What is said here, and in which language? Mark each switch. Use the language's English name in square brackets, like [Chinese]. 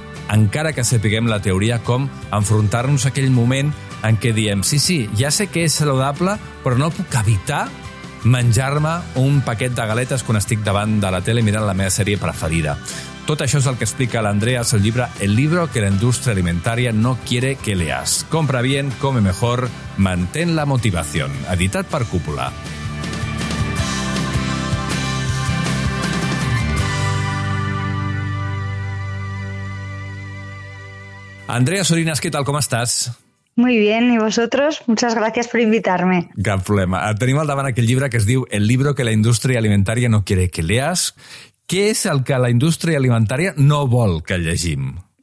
[Catalan] encara que sapiguem la teoria, com enfrontar-nos a aquell moment en què diem sí, sí, ja sé que és saludable, però no puc evitar menjar-me un paquet de galetes quan estic davant de la tele mirant la meva sèrie preferida. Tot això és el que explica l'Andrea al llibre El libro que la industria alimentaria no quiere que leas. [Spanish] Compra bien, come mejor, mantén la motivación. [Catalan] Editat per Cúpula. Andrea Sorinas, què tal, com estàs? [Spanish] Muy bien, ¿y vosotros? Muchas gracias por invitarme. [Catalan] Cap problema. Tenim al davant aquell llibre que es diu El libro que la industria alimentaria no quiere que leas. [Spanish] ¿Qué es el que la industria alimentaria no [Catalan] vol que llegim?